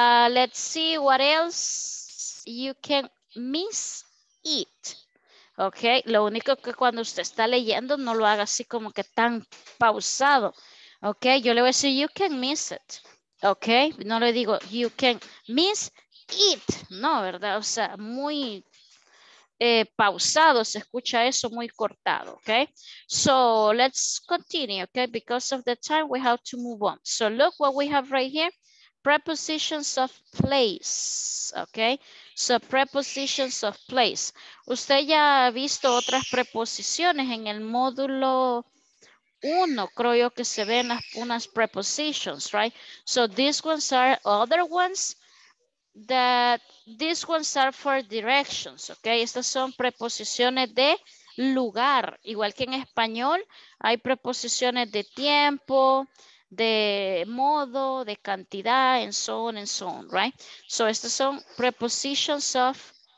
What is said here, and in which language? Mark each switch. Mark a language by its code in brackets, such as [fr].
[en] Let's see what else you can miss it, ok. [es] Lo único que cuando usted está leyendo no lo haga así como que tan pausado, ok. Yo le voy a decir, [en] you can miss it. [es] Ok, no le digo, you can miss it, no, ¿verdad? O sea, muy pausado, se escucha eso, muy cortado, ok. [en] So, let's continue, ok, because of the time, we have to move on. So, look what we have right here, prepositions of place, ok. So, prepositions of place. [es] Usted ya ha visto otras preposiciones en el módulo... Uno, creo yo que se ven las unas prepositions, right? [en] So these ones are other ones that these ones are for directions, okay? [es] Estas son preposiciones de lugar. Igual que en español, hay preposiciones de tiempo, de modo, de cantidad, [en] and so on, right? So [es] estas son [en] prepositions of